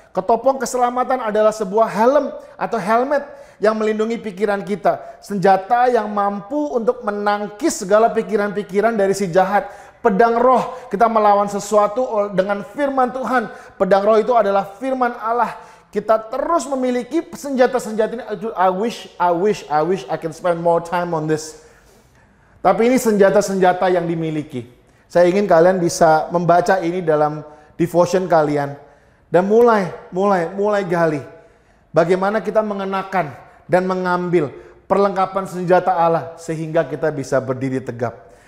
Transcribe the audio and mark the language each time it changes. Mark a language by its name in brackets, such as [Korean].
[Indonesian] Ketopong keselamatan adalah sebuah helm atau helmet yang melindungi pikiran kita. Senjata yang mampu untuk menangkis segala pikiran-pikiran dari si jahat. Pedang roh, kita melawan sesuatu dengan firman Tuhan. Pedang roh itu adalah firman Allah. Kita terus memiliki senjata-senjata ini. [English] I wish I can spend more time on this. [Indonesian] Tapi ini senjata-senjata yang dimiliki. Saya ingin kalian bisa membaca ini dalam devotion kalian. Dan mulai gali. Bagaimana kita mengenakan dan mengambil perlengkapan senjata Allah sehingga kita bisa berdiri tegap.